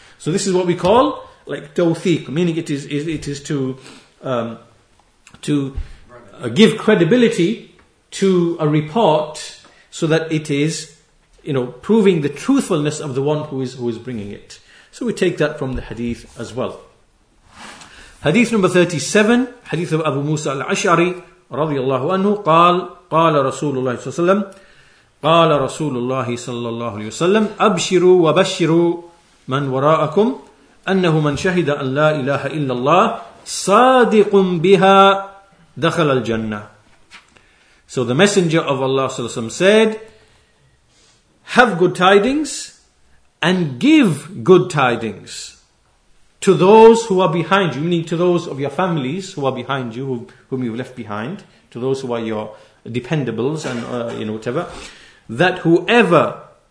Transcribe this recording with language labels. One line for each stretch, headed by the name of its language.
English: So this is what we call like tawthiq, meaning it is to give credibility to a report, so that it is, you know, proving the truthfulness of the one who is bringing it. So we take that from the hadith as well. Hadith number 37, hadith of Abu Musa al-Ash'ari
Arabic: رضي الله عنه قال قال رسول الله صلى الله عليه وسلم قال رسول الله صلى الله عليه وسلم أبشروا وبشروا من وراءكم أنه من شهد أن لا إله إلا الله صادق بها دخل الجنة.
English: So the Messenger of Allah
Arabic: صلى الله عليه وسلم
English: said, have good tidings and give good tidings to those who are behind you, meaning to those of your families who are behind you, whom you've left behind, to those who are your dependables and you know, whatever, that whoever